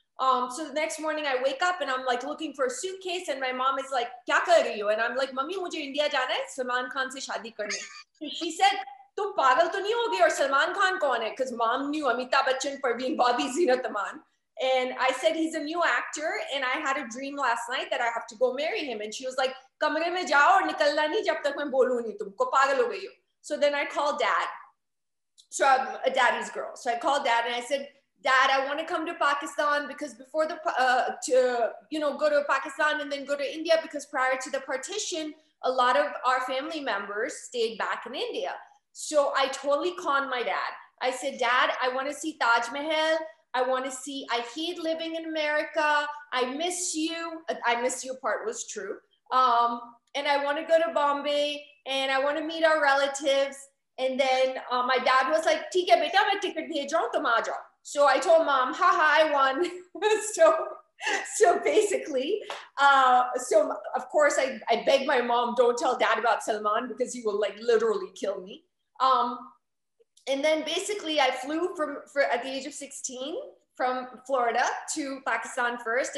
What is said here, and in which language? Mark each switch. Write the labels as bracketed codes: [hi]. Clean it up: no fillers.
[en] So the next morning I wake up and I'm like looking for a suitcase and my mom is like, [hi] kya kar rahi ho? [en] And I'm like, [hi] mummy, मुझे India जाना है, सलमान खान से शादी करने. [en] She said, [hi] तुम पागल तो नहीं होगी, और सलमान खान कौन है? [en] Because mom knew Amitabh Bachchan for being Bobby Zinataman. And I said, he's a new actor. And I had a dream last night that I have to go marry him. And she was like, [hi] कमरे में जाओ और निकलना नहीं जब तक मैं बोलूँ नहीं तुमको, पागल हो गई हो. [en] So then I called dad. So I'm a daddy's girl. So I called dad and I said, dad, I want to come to Pakistan because before the, go to Pakistan and then go to India, because prior to the partition, a lot of our family members stayed back in India. So I totally conned my dad. I said, dad, I want to see Taj Mahal. I hate living in America. I miss you. I miss you part was true. And I want to go to Bombay and I want to meet our relatives. And then my dad was like, [hi] ठीक है बेटा, मैं ticket भेज रहा हूँ, तुम आ जाओ. [en] So I told mom, haha, I won. So of course I begged my mom, don't tell dad about Salman because he will like literally kill me. And then basically I flew at the age of 16 from Florida to Pakistan first.